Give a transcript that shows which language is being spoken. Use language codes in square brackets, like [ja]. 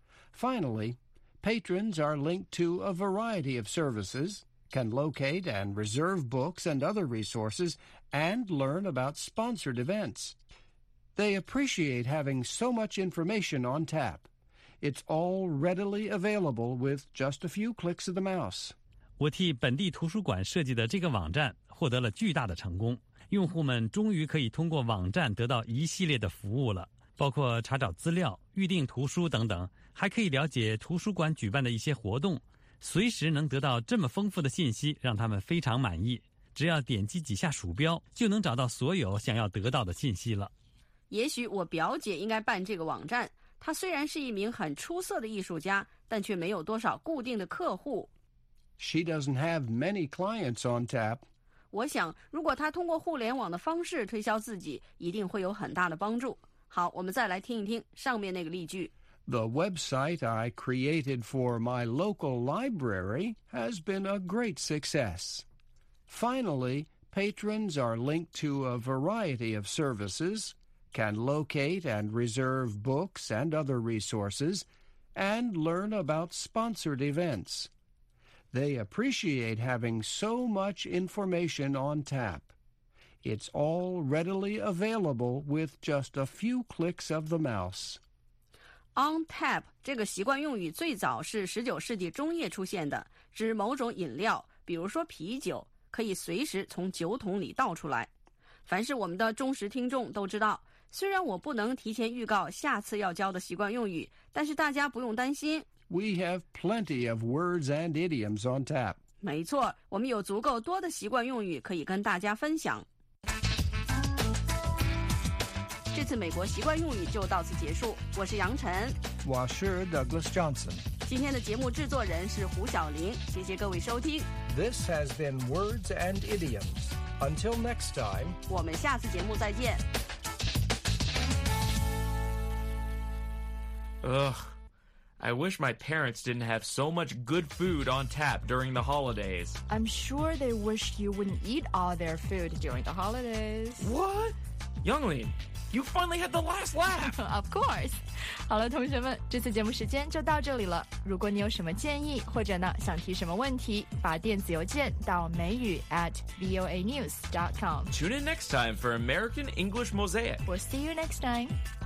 [en] Finally, patrons are linked to a variety of services, can locate and reserve books and other resources, and learn about sponsored events. They appreciate having so much information on tap. It's all readily available with just a few clicks of the mouse. [zh] 我替本地图书馆设计的这个网站获得了巨大的成功。用户们终于可以通过网站得到一系列的服务了，包括查找资料、预订图书等等，还可以了解图书馆举办的一些活动。随时能得到这么丰富的信息，让他们非常满意。只要点击几下鼠标，就能找到所有想要得到的信息了。也许我表姐应该办这个网站，她虽然是一名很出色的艺术家，但却没有多少固定的客户。 [en] She doesn't have many clients on tap. [zh] 我想，如果她通过互联网的方式推销自己，一定会有很大的帮助。好，我们再来听一听上面那个例句。 [en] The website I created for my local library has been a great success. Finally, patrons are linked to a variety of services. Can locate and reserve books and other resources, and learn about sponsored events. They appreciate having so much information on tap. It's all readily available with just a few clicks of the mouse. [zh] On tap 这个习惯用语最早是19世纪中叶出现的，指某种饮料，比如说啤酒，可以随时从酒桶里倒出来。凡是我们的忠实听众都知道。虽然我不能提前预告下次要教的习惯用语，但是大家不用担心。 [en] We have plenty of words and idioms on tap. [zh] 没错，我们有足够多的习惯用语可以跟大家分享。这次美国习惯用语就到此结束。我是杨晨。我是 Douglas Johnson。今天的节目制作人是胡晓玲。谢谢各位收听。 [en] This has been Words and Idioms. Until next time. [zh] 我们下次节目再见。 [en] Ugh, I wish my parents didn't have so much good food on tap during the holidays. I'm sure they wish you wouldn't eat all their food during the holidays. What? Younglin, you finally had the last laugh! Of course! [zh] 好了，同学们，这次节目时间就到这里了。如果你有什么建议，或者呢，想提什么问题，把电子邮件到美语@voanews.com. [en] Tune in next time for American English Mosaic. We'll see you next time.